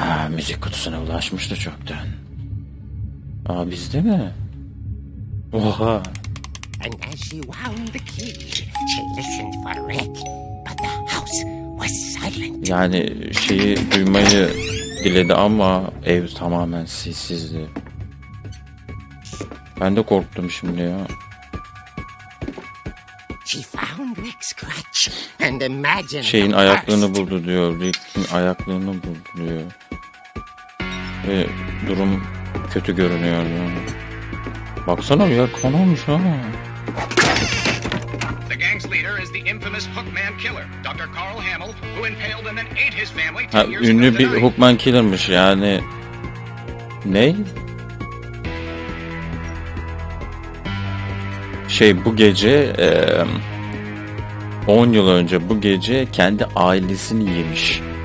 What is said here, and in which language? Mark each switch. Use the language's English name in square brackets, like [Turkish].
[Turkish] Müzik kutusuna ulaşmıştı çoktan. Aa bizde mi? Oha. [English] And as she wound the cage, she listened for Rick, but the house was silent. [Turkish] Yani şeyi duymayı diledi ama ev tamamen sessizdi. Ben de korktum şimdi ya. [English] She found Rick's crutch and imagined. [Turkish] Şeyin ayaklığını buldu diyor. Rick'in ayaklığını buldu diyor. Ve durum kötü görünüyor diyor. Baksana ya konulmuş ama. [English] The gang's leader is the infamous Hookman Killer, Dr. Carl Hamill, who impaled and then ate his family 10 years ago. [Turkish] Ha, ünlü bir Hookman Killer'mış yani. Ne? Şey bu gece 10 yıl önce bu gece kendi ailesini yemiş.